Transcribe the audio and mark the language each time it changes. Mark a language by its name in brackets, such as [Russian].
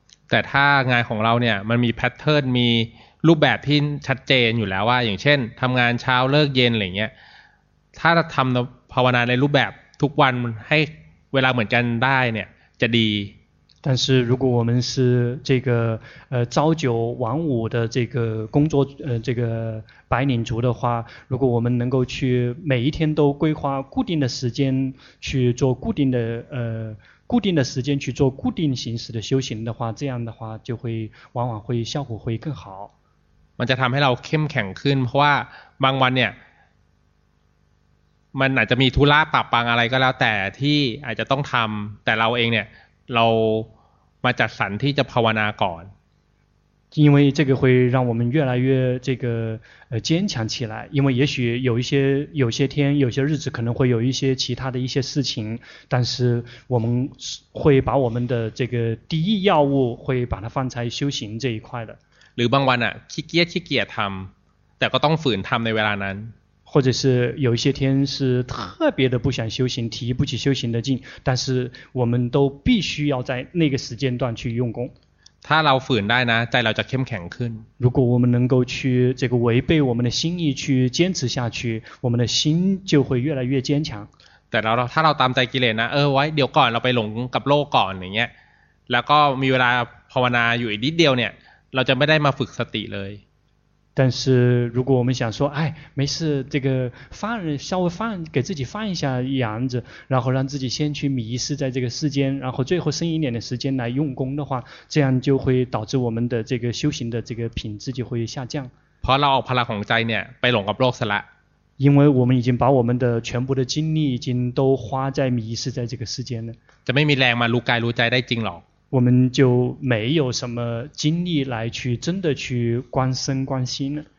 [Thai] แต่ถ้างานของเราเนี่ยมันมีแพทเทิร์นมีรูปแบบที่ชัดเจนอยู่แล้วว่าอย่างเช่นทำงานเช้าเลิกเย็นอะไรเงี้ยถ้าทำภาวนาในรูปแบบทุกวันให้เวลาเหมือนกันได้เนี่ยจะดี。 [Chinese] 但是如果我们是这个朝九晚五的这个工作这个白领族的话，如果我们能够去每一天都规划固定的时间去做固定的时间去做固定形式的修行的话，这样的话就会往往会效果会更好。 [Thai] มันจะทำให้เราเข้มแข็งขึ้นเพราะว่าบางวันเนี่ยมันอาจจะมีธุระปรับปังอะไรก็แล้วแต่ที่อาจจะต้องทำแต่เราเองเนี่ยเรามาจัดสรรที่จะภาวนาก่อน [Chinese] 因为这个会让我们越来越这个坚强起来因为也许有些天有些日子可能会有一些其他的一些事情但是我们会把我们的这个第一要务会把它放在修行这一块的 [Thai] หรือบางวันอ่ะขี้เกียจขี้เกียจทำแต่ก็ต้องฝืนทำในเวลานั้น [Chinese] 或者是有一些天是特别的不想修行提不起修行的劲但是我们都必须要在那个时间段去用功 [Thai] ถ้าเราฝืนได้นะใจเราจะเข้มแข็งขึ้น [Chinese] 如果我们能够去这个违背我们的心意去坚持下去我们的心就会越来越坚强 [Thai] แต่เราถ้าเราตามใจกิเลสนะไว้เดี๋ยวก่อนเราไปหลงกับโลกก่อนอย่างเงี้ยแล้วก็มีเวลาภาวนาอยู่อีกนิดเดียวเนี่ยเราจะไม่ได้มาฝึกสติเลย [Chinese] 但是如果我们想说哎没事这个稍微放给自己放一下羊子然后让自己先去迷失在这个世间然后最后剩一点的时间来用功的话这样就会导致我们的这个修行的这个品质就会下降。 [Thai] พอเราเอาพลังของใจเนี่ยไปหลงกับโลกซะละ [Chinese] 因为我们已经把我们的全部的精力已经都花在迷失在这个世间了。 [Thai] จะไม่มีแรงมารู้กายรู้ใจได้จริงหรอก [Chinese] 我们就没有什么精力来去真的去观身观心了。